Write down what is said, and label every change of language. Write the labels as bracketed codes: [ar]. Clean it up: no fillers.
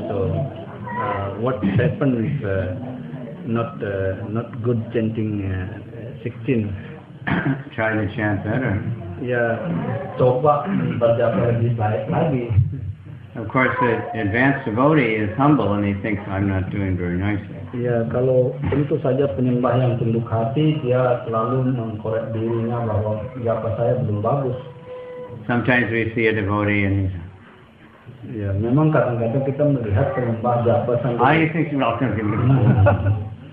[en] So what happened if not good chanting 16? Try to chant better. [id] Yeah, coba berjapa lebih baik lagi. [en] Of course, the advanced devotee is humble and he thinks I'm not doing very nicely. [id] Yeah, kalau tentu saja penyembah yang tunduk hati, dia selalu mengkorek dirinya bahwa japa saya belum bagus. [en] Sometimes we see a devotee and he's. [id] Yeah, memang kadang-kadang kita melihat penyembah japa sambil. [en] I think you're also going to be.